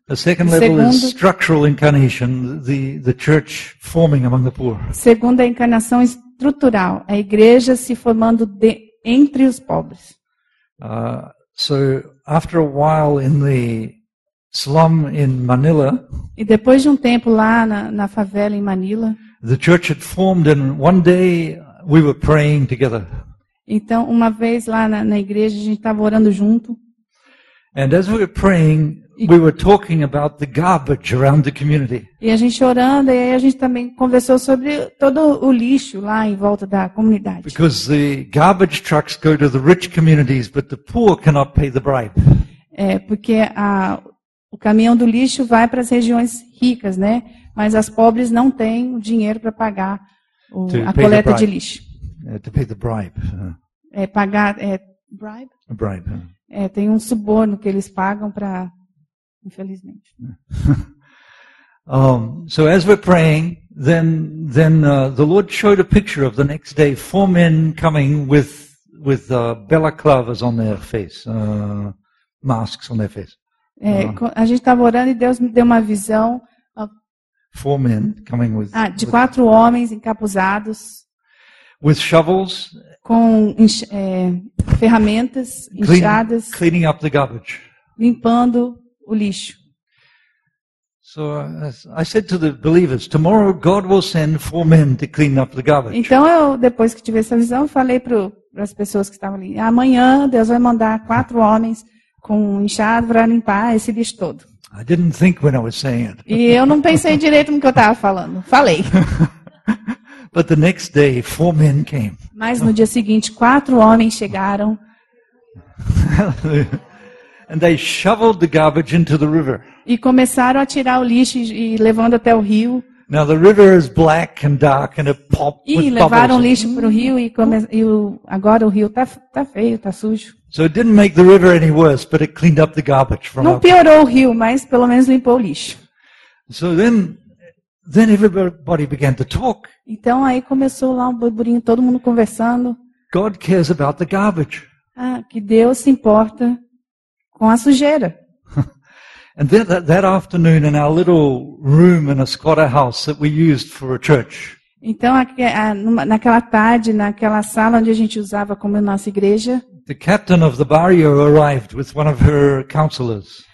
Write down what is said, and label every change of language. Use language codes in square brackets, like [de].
[en] The second level is structural incarnation, the church forming among the poor. [pt] Segunda encarnação estrutural, a igreja se formando entre os pobres. [en] So after a while in the slum in Manila. [pt] E depois de tempo lá na favela em Manila. [en] The church had formed and one day we were praying together. [pt] Então, uma vez lá na igreja, a gente estava orando junto. [en] And as we were praying, we were talking about the garbage around the community. [pt] E a gente orando, e aí a gente também conversou sobre todo o lixo lá em volta da comunidade. [en] Because the garbage trucks go to the rich communities, but the poor cannot pay the bribe. [pt] Porque o caminhão do lixo vai para as regiões ricas, né? Mas as pobres não têm o dinheiro para pagar a coleta de lixo. [en] To pay the bribe. [pt] Pagar bribe? [en] A bribe. [pt] Tem um suborno que eles pagam para, infelizmente. [en] So as we're praying, then the Lord showed a picture of the next day, four men coming with balaclavas on their face, masks on their face. [pt] A gente estava orando e Deus me deu uma visão. [en] Four men coming with. [pt] De quatro homens encapuzados. [en] With shovels, [pt] com ferramentas, enxadas, [en] cleaning up the garbage, [pt] limpando o lixo. [en] So I said to the believers, tomorrow God will send four men to clean up the garbage. [pt] Então eu depois que tive essa visão, falei para as pessoas que estavam ali, amanhã Deus vai mandar quatro homens com enxada para limpar esse lixo todo. [en] I didn't think when I was saying it. [pt] E eu não pensei direito no que eu estava falando. Falei. [en] But the next day, four men came. [pt] Mas no dia seguinte, quatro homens chegaram. [en] And they shoveled the garbage into the river. [pt] E começaram a tirar o lixo e levando até o rio. [en] Now the river is black and dark and it popped with bubbles. [pt] E levaram o lixo para o rio agora o rio tá feio, tá sujo. [en] So it didn't make the river any worse, but it cleaned up the garbage from [pt] Não piorou o rio, mas pelo menos limpou o lixo. [en] So then Then everybody began to talk. [pt] Então aí começou lá um burburinho, todo mundo conversando. [en] God cares about the garbage. [pt] Ah, que Deus se importa com a sujeira. [en] And then that afternoon in our little room in a squatter house that we used for a church. [pt] Então naquela tarde, naquela sala onde a gente usava como nossa igreja, [en] the captain of the barrio arrived with one of her counselors.